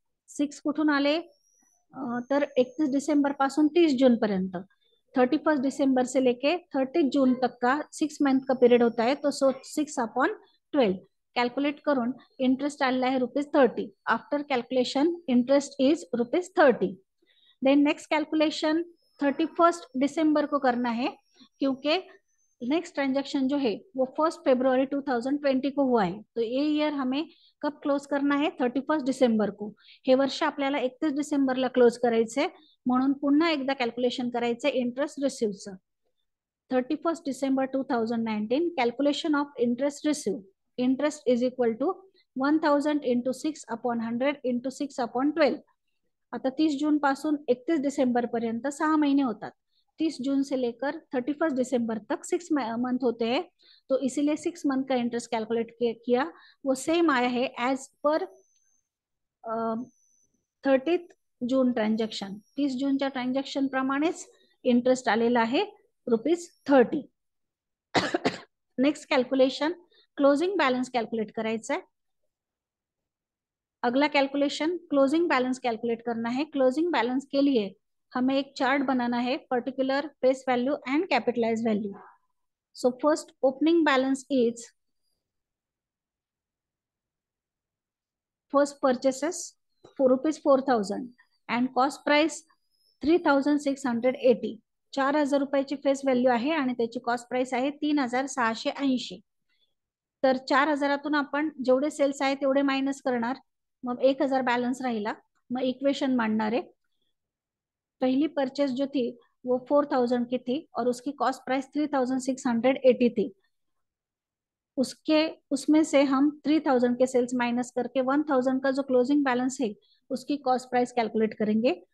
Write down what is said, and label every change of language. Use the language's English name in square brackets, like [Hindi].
[Marathi] 6 कुठून आले, तर 31 डिसेंबर पासून 30 जून पर्यंत, [Hindi] 31 डिसेंबर से लेके 30 जून तक [Marathi] का 6 महिन्यांचा का पीरियड होता है, तो सो 6/12 कॅल्क्युलेट करून इंटरेस्ट आलेला आहे ₹30। [English] After calculation interest is ₹30। [Hindi] Then next calculation 31 December को करना है, क्योंकि नेक्स्ट ट्रांजेक्शन जो है वो 1 फेब्रुवारी 2020 को हुआ है। तो ये ईयर हमें कब क्लोज करना है, 31 डिसेंबर को। [Marathi] हे वर्ष आपल्याला 31 डिसेंबर ला क्लोज करायचे, म्हणून पुन्हा एकदा कॅल्क्युलेशन करायचे interest रिसिव्हचं। [English] 31 December 2019, calculation of interest receive, interest is equal to 1000 × 6/100 × 6/12। [Marathi] आता 30 जून पासून 31 डिसेंबर पर्यंत 6 महिने होतात, [Hindi] 30 जून से लेकर 31 डिसेंबर तक 6 मंथ होते हैं, तो इसीलिए 6 मंथ का इंटरेस्ट कैलकुलेट किया, वो सेम आया है एज पर 30 जून ट्रांजेक्शन। [Marathi] 30 जून च्या ट्रांजेक्शन प्रमाणेच इंटरेस्ट आलेला आहे ₹30। Next calculation, closing balance calculate करायचा आहे। [Hindi] अगला कैलकुलेशन क्लोजिंग बैलेंस कैलकुलेट करना है। क्लोजिंग बैलेंस के लिए हमें एक चार्ट बनाना है, particular face value and capitalise value. [English] So first opening balance is first purchases ₹4000 and cost price 3680। [Marathi] 4000 रुपयाची फेस वैल्यू आहे आणि त्याची कॉस्ट प्राइस आहे 3680। तर 4000 आपण जेवढे सेल्स आहे तेवढे मायनस करणार, मग 1000 बॅलन्स राहिला। मग इक्वेशन मांडणार आहे, [Hindi] पहिली परचेस जो थी वो 4000 की थी और उसकी कॉस्ट प्राइस 3680 थी, उसके उसमें से हम 3000 के सेल्स माइनस करके 1000 का जो क्लोजिंग बैलेंस है उसकी कॉस्ट प्राइस कैलकुलेट करेंगे।